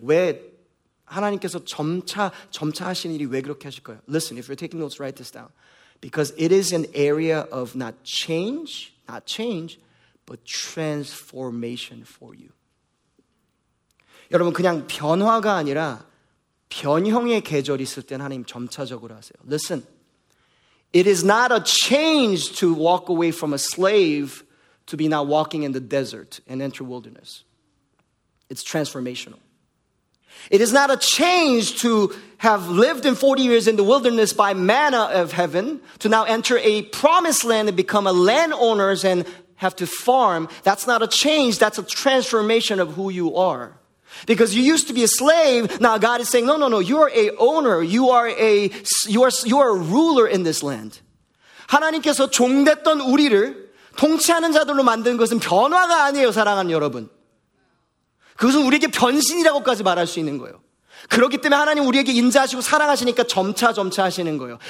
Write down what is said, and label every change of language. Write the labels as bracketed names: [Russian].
[Korean] 왜 하나님께서 점차 하신 일이 왜 그렇게 하실 거예요? [English] Listen, if you're taking notes, write this down. Because it is an area of not change, but transformation for you. [Korean] 여러분, 그냥 변화가 아니라 변형의 계절 있을 때는 하나님 점차적으로 하세요. [English] Listen, it is not a change to walk away from a slave to be now walking in the desert and enter wilderness. It's transformational. It is not a change to have lived in 40 years in the wilderness by manna of heaven to now enter a promised land and become a landowner and have to farm. That's not a change. That's a transformation of who you are. Because you used to be a slave, now God is saying, no, you are a owner, you are a ruler in this land. [Korean] 하나님께서 종됐던 우리를 통치하는 자들로 만든 것은 변화가 아니에요, 사랑하는 여러분. 그것은 우리에게 변신이라고까지 말할 수 있는 거예요. 그렇기 때문에 하나님 우리에게 인자하시고 사랑하시니까 점차 하시는 거예요.